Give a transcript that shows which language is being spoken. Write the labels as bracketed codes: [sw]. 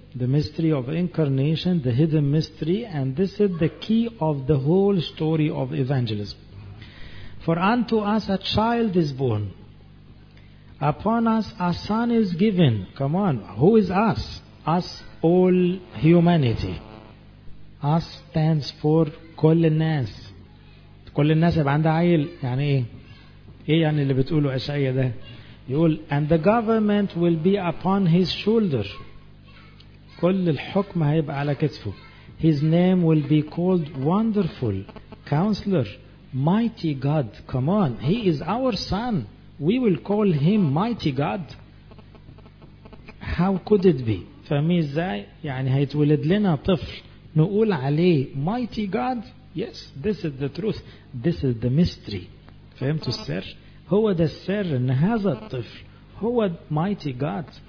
[en] The mystery of incarnation, the hidden mystery, and this is the key of the whole story of evangelism. For unto us a child is born, upon us a son is given. Come on, who is us? Us all humanity. Us stands for [ar] كل الناس. كل الناس يبقى عندها عيل، يعني ايه؟ ايه يعني اللي بتقوله إشعياء ده؟ يقول [en] and the government will be upon his shoulder. [ar] كل الحكم هيبقى على كتفه. [en] His name will be called Wonderful, Counselor, Mighty God. Come on, He is our son. We will call Him Mighty God. How could it be? [ar] فاهمين ازاي؟ يعني هيتولد لنا طفل نقول عليه [en] mighty God. Yes, this is the truth. This is the mystery. [ar] فهمتوا السر؟ هو ده السر ان هذا الطفل هو [en] mighty God.